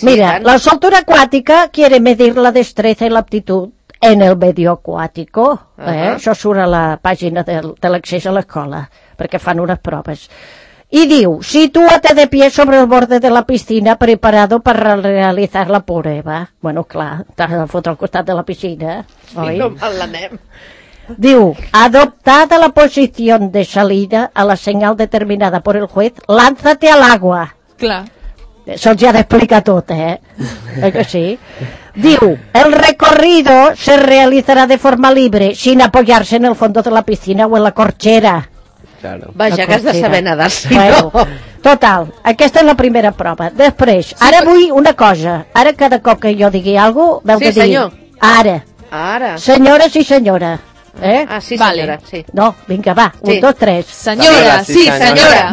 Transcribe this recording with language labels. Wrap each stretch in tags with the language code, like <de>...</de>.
<es>Mira, la soltura aquàtica quiere medir la destreza y la aptitud en el medio acuático.</es> <ca>Això surt a la pàgina de l'accés a l'escola, perquè fan unes proves.</ca> <es>Y diu, sitúate de pie sobre el borde de la piscina preparado para realizar la prueba.</es> <ca>Bueno, clar, t'has de fotre al costat de la piscina, oi? Sí, no mal l'anem.</ca> <es>Diu, adoptada la posición de salida a la señal determinada por el juez, lánzate al agua.</es> <ca>Clar. Això ja t'explica tot, que sí?</ca> <es>Diu, el recorrido se realizará de forma libre sin apoyarse en el fondo de la piscina o en la corchera. Claro.</es> <ca>Vaja, que has de saber nedar, si bueno, total, aquesta és la primera prova. Després, sí, ara vull una cosa. Ara cada cop que jo digui alguna cosa, veu sí, que senyor. Dir... Sí, senyor. Ara. Ara. Senyora, sí, senyora. Ah, sí, senyora. Vale. Sí. No, vinga, va. Sí. Un, dos, tres. Senyora, sí, senyora.</ca>